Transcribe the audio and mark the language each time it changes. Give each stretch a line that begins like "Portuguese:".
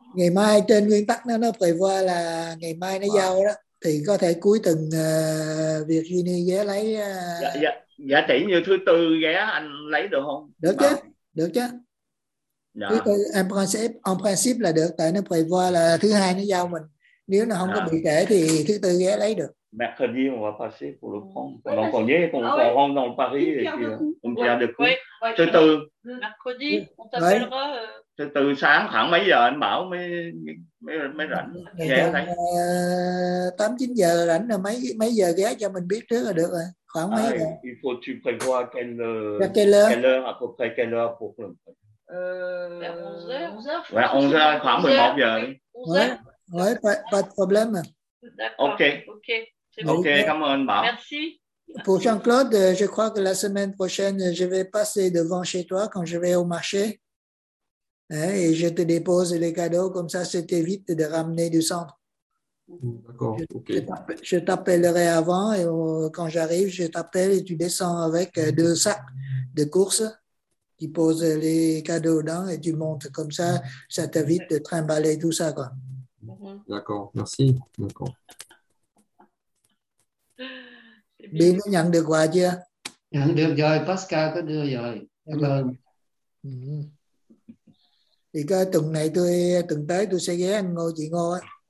Vietnamese: Ngày mai trên nguyên tắc nó phải qua là ngày mai nó giao đó, thì có thể cuối tuần việc Uni ghé lấy. Dạ tỷ như thứ tư ghé anh lấy được không? Được chứ, được chứ. Thứ tư
French: en principe
Vietnamese: là được, tại nó phải qua là thứ hai nó giao mình. Nếu nó không có bị trễ thì thứ tư ghé lấy được.
French: Mercredi on va passer pour le prendre. On va encore on va rendre dans Paris et puis on vient de coup.
Vietnamese: Thứ tư.
French: Mercredi on t'appellera.
Vietnamese: Thứ tư sáng khoảng mấy giờ anh Bảo mới rảnh ghé thấy. 8-9 giờ rảnh rồi, mấy giờ ghé cho mình biết trước là được rồi. Khoảng mấy giờ?
French: Il faut tu prévoir quelle heure à peu près quelle heure pour le prendre.
Vietnamese: 11h khoảng 11 giờ.
French: Ouais, pas de problème. D'accord. Ok, comme on va. Merci. Pour Jean-Claude, je crois que la semaine prochaine, je vais passer devant chez toi quand je vais au marché. Et je te dépose les cadeaux, comme ça, ça t'évite de ramener du centre. D'accord, ok. Je t'appellerai avant et quand j'arrive, je t'appelle et tu descends avec deux sacs de courses. Tu poses les cadeaux dedans et tu montes. Comme ça, ça t'évite de trimballer tout ça, quoi. D'accord, merci. D'accord.
Vietnamese: Bin có nhận được quà chưa? Nhận được rồi, Pascal có đưa rồi. Cảm ơn. Thì cái tuần này tôi, tuần tới tôi sẽ ghé anh Ngô, chị Ngô á.